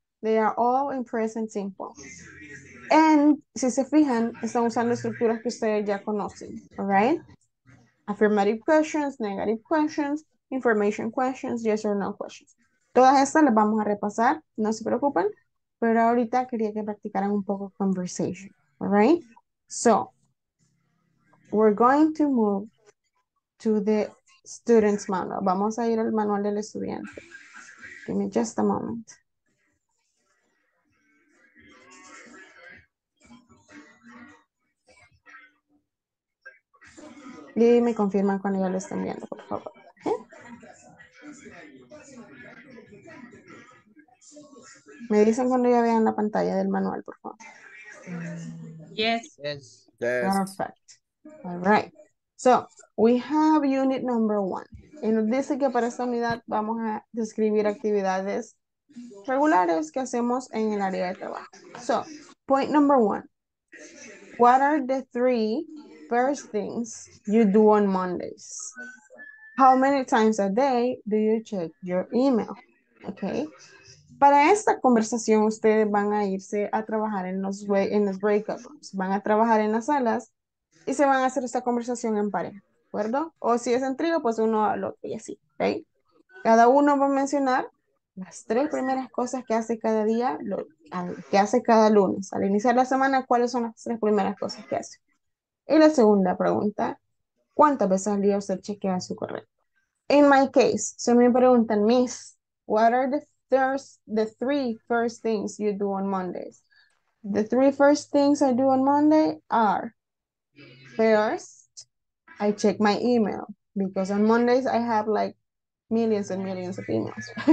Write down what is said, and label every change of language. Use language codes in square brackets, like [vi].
[en] They are all in present simple. And [es] si se fijan, están usando estructuras que ustedes ya conocen, [en] all right? Affirmative questions, negative questions, information questions, yes or no questions. [es] Todas estas las vamos a repasar, no se preocupen, pero ahorita quería que practicaran un poco conversation, [en] all right? So, we're going to move to the student's manual. [es] Vamos a ir al manual del estudiante. [en] Give me just a moment. [es] Y me confirman cuando ya lo están viendo, por favor. Me dicen cuando ya vean la pantalla del manual, por favor. [en] Yes. Yes. Perfect. All right. So, we have unit number one. [es] Y nos dice que para esta unidad vamos a describir actividades regulares que hacemos en el área de trabajo. [en] So, point number one. What are the three first things you do on Mondays? How many times a day do you check your email? Okay. [es] Para esta conversación, ustedes van a irse a trabajar en los breakout rooms. Van a trabajar en las salas y se van a hacer esta conversación en pareja, ¿de acuerdo? O si es en trío, pues uno al otro y así, ¿ok? Cada uno va a mencionar las tres primeras cosas que hace cada día, que hace cada lunes. Al iniciar la semana, ¿cuáles son las tres primeras cosas que hace? Y la segunda pregunta, ¿cuántas veces al día usted chequea su correo? [en] In my case, [es] se me preguntan, [en] Miss, what are the three first things you do on Mondays? The three first things I do on Monday are, first, I check my email, because on Mondays I have like millions and millions of emails.